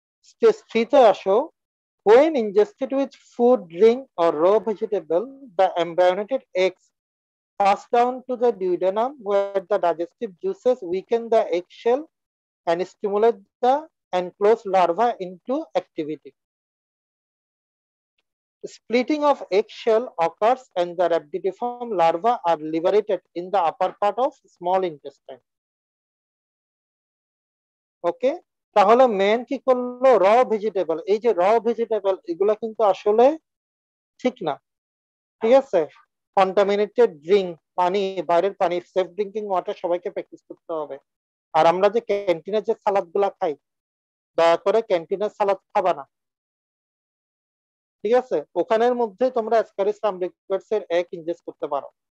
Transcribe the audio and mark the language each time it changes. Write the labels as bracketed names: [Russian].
[Bangla] Stage থ্রিতে আসো, [English] When ingested with food drink or raw vegetable the embryonated eggs pass down to the duodenum where the digestive juices weaken the eggshell and stimulate the enclose larva into activity. Splitting of eggshell occurs and the rhabditiform larva are liberated in the upper part of small intestine. [Bangla] Okay, তাহলে main কি করলো, র vegetable, এই যে র vegetable এগুলো কিন্তু আসলে ঠিক না, ঠিক আছে, কন্টামিনেটেড ড্রিঙ্ক, পানি, বাইরের পানি, সেফ ড্রিঙ্কিং ওয়াটার সবাইকে প্র্যাকটিস করতে হবে। আর আমরা যে ক্যান্টিনের যে সালাদ গুলা খাই, দয়া করে ক্যান্টিনের সালাদ খাবা না, ঠিক আছে, ওখানের মধ্যে তোমরা অ্যাসকারিস ল্যাম্বিকাস এর এক ইনজেস্ট করতে পারো।